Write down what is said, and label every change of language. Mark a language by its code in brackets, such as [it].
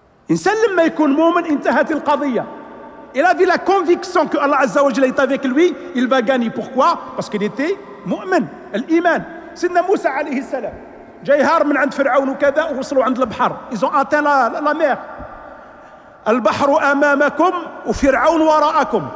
[ar] إنسان لما يكون مؤمن انتهت القضية. [fr] Il avait la conviction que Allah Azza wa Jalla est avec lui, il va gagner. Pourquoi? Parce qu'il était مؤمن. [ar] الإيمان. سيدنا موسى عليه السلام. جايهار من عند فرعون وكذا ووصلوا عند البحر. [fr] Ils ont atteint la mer. [ar] البحر أمامكم وفرعون وراءكم.